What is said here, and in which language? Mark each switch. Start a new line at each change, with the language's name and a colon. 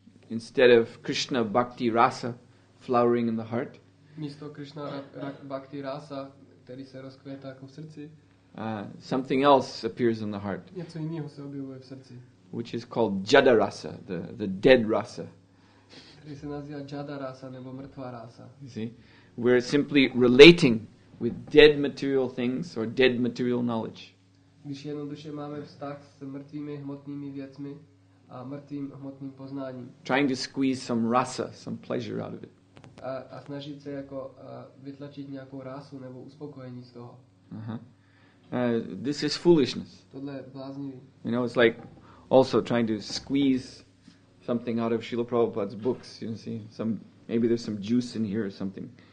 English: Instead of Krishna bhakti rasa flowering in the heart,
Czech: místo Krishna bhakti rasa, který se rozkvětá jako v srdci,
English: something else appears in the heart.
Czech: Něco jiného se objevuje v srdci.
English: Which is called jada rasa, the dead rasa.
Czech: Který se nazývá jada rasa nebo mrtvá rasa.
English: See? We're simply relating with dead material things or dead material knowledge.
Czech: Když jednoduše máme vztah s mrtvými hmotnými věcmi a mrtvým hmotným poznáním.
English: Trying to squeeze some rasa, some pleasure out of it.
Czech: A snažit se jako vytlačit nějakou rasu nebo uspokojení z toho.
English: This is foolishness.
Czech: Tohle je bláznivý.
English: You know, it's like also trying to squeeze something out of Srila Prabhupada's books, you see, some, maybe there's some juice in here or something.